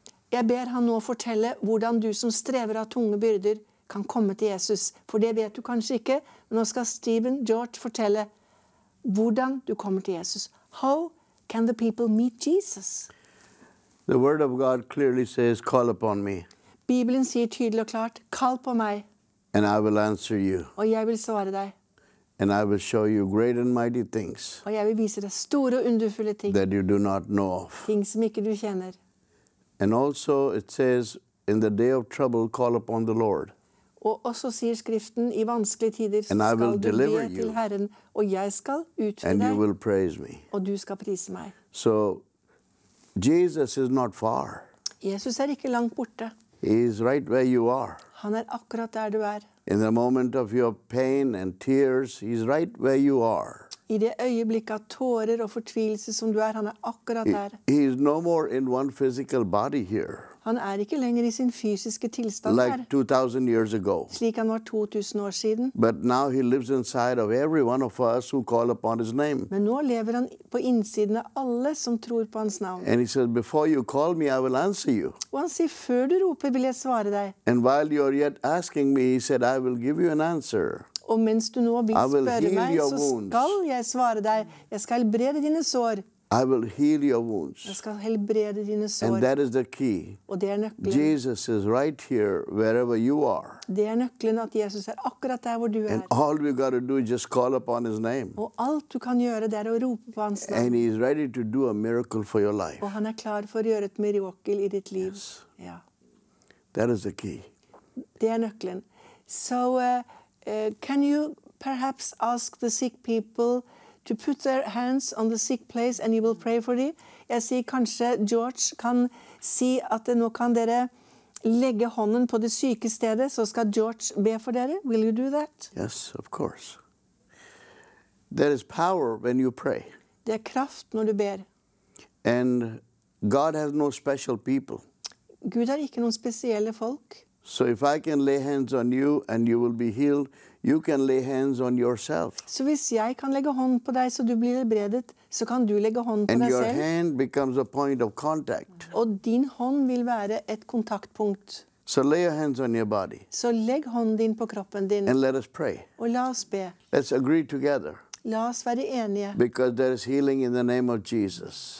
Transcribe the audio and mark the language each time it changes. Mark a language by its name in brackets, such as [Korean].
[Norwegian] Jeg ber han nå fortelle hvordan du som strever av tunge byrder kan komme til Jesus. For det vet du kanskje ikke, men nå skal Stephen George fortelle hvordan du kommer til Jesus. [English] How can the people meet Jesus? The word of God clearly says, call upon me. [Norwegian] Bibelen sier tydelig og klart, kall på meg. [English] And I will answer you. [Norwegian] Og jeg vil svare deg. [English] And I will show you great and mighty things. [Norwegian] Og jeg vil vise deg store og underfulle ting. [English] That you do not know of. [Norwegian] Ting som ikke du kjenner. [English] And also it says, in the day of trouble, call upon the Lord. [Norwegian] Og også sier skriften, i vanskelige tider skal du be til Herren, og jeg skal utfri deg, og du skal prise meg. [English] So, Jesus is not far. [Norwegian] Jesus er ikke langt borte. [English] He is right where you are. [Norwegian] Han er akkurat der du er. [English] In the moment of your pain and tears, he's right where you are. [Norwegian] I det øyeblikket av tårer og fortvilelse som du er, han er akkurat der. [English] He is no more in one physical body here. [Norwegian] Han er ikke lenger i sin fysiske tilstand [English] like [Norwegian] her. [English] 2000 years ago. [Norwegian] Slik han var 2000 år siden. [English] But now he lives inside of every one of us who call upon his name. [Norwegian] Men nå lever han på innsiden av alle som tror på hans navn. [English] And he says, before you call me, I will answer you. [Norwegian] Og han sier, før du roper, vil jeg svare deg. [English] And while you are yet asking me, he said, I will give you an answer. [Norwegian] Og mens du nå vil spørre meg, så skal jeg svare deg. Jeg skal helbrede dine sår. [English] I will heal your wounds. [Norwegian] Jeg skal helbrede dine sår. [English] And that is the key. [Norwegian] Og det er nøkkelen. [English] Jesus is right here wherever you are. [Norwegian] Det er nøkkelen at Jesus er akkurat der hvor du er. [English] And all we got to do is just call upon his name. [Norwegian] Og alt du kan gjøre det er å rope på hans navn. [English] And he is ready to do a miracle for your life. [Norwegian] Og han er klar for å gjøre et mirakel i ditt liv. [English] Yes. [Norwegian] Ja. [English] That is the key. [Norwegian] Det er nøkkelen. [English] So can you perhaps ask the sick people to put their hands on the sick place and you will pray for them. [Norwegian] Jeg sier kanskje George kan si at nå kan dere legge hånden på det syke stedet, så skal George be for dere. [English] Will you do that? Yes, of course. There is power when you pray. [Norwegian] Det er kraft når du ber. [English] And God has no special people. [Norwegian] Gud har ikke noen spesielle folk. [English] So if I can lay hands on you and you will be healed, you can lay hands on yourself. [Norwegian] Så hvis jeg kan legge hånd på deg så du blir helbredet, så kan du legge hånd på deg selv. [English] And your hand becomes a point of contact. [Norwegian] Og din hånd vil være et kontaktpunkt. [English] So lay your hands on your body. [Norwegian] Så legg hånden din på kroppen din. [English] And let us pray. [Norwegian] Og la oss be. [English] Let's agree together. [Norwegian] La oss være enige. [English] Because there is healing in the name of Jesus.